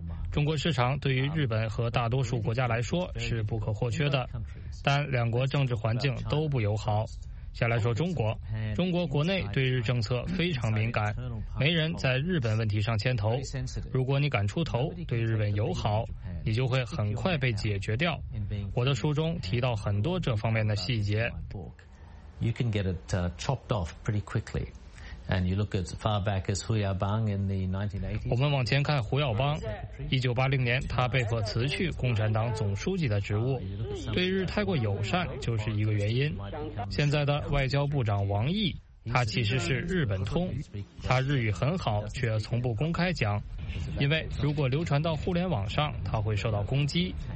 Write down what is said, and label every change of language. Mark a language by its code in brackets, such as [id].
[zh] 中国市场对于日本和大多数国家来说是不可或缺的，但两国政治环境都不友好。先来说中国，中国国内对日政策非常敏感，没人在日本问题上牵头。如果你敢出头对日本友好，你就会很快被解决掉。我的书中提到很多这方面的细节。 [en] You can get it chopped off pretty quickly. And you look as far back as Hu Yaobang in the 1980s. [zh] 我们往前看，胡耀邦1980年他被迫辞去共产党总书记的职务，对日太过友善就是一个原因。现在的外交部长王毅，他其实是日本通，他日语很好，却从不公开讲，因为如果流传到互联网上，他会受到攻击。